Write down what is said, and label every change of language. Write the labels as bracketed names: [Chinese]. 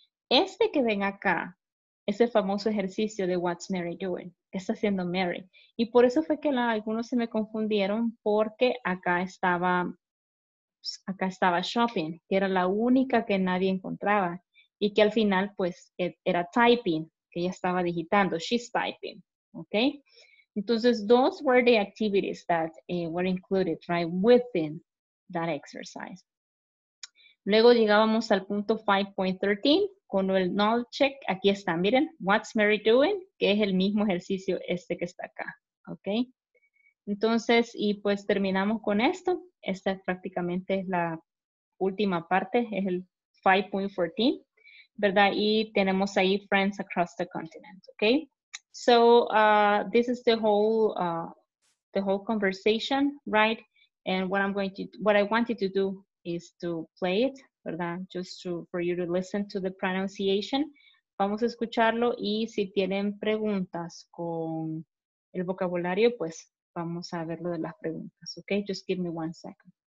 [Spanish] Este que ven acá es el famoso ejercicio de [English] What's Mary Doing? [Spanish] ¿Qué está haciendo Mary? Y por eso fue que algunos se me confundieron porque acá estaba shopping, que era la única que nadie encontraba. Y que al final, pues, era typing, que ella estaba digitando. [English] She's typing, ¿ok? Entonces, those were the activities that were included, right, within that exercise. [Spanish] Luego llegábamos al punto 5.13. Con el knowledge check, aquí está, miren, what's Mary doing, que es el mismo ejercicio este que está acá, ¿ok? Entonces, y pues terminamos con esto, esta prácticamente es la última parte, es el 5.14, ¿verdad? Y tenemos ahí [English] friends across the continent, ¿ok? So, this is the whole conversation, right? And what I want you to do is to play it. ¿Verdad? Just for you to listen to the pronunciation. [Spanish] Vamos a escucharlo y si tienen preguntas con el vocabulario, pues vamos a ver lo de las preguntas. [English] Okay, just give me one second.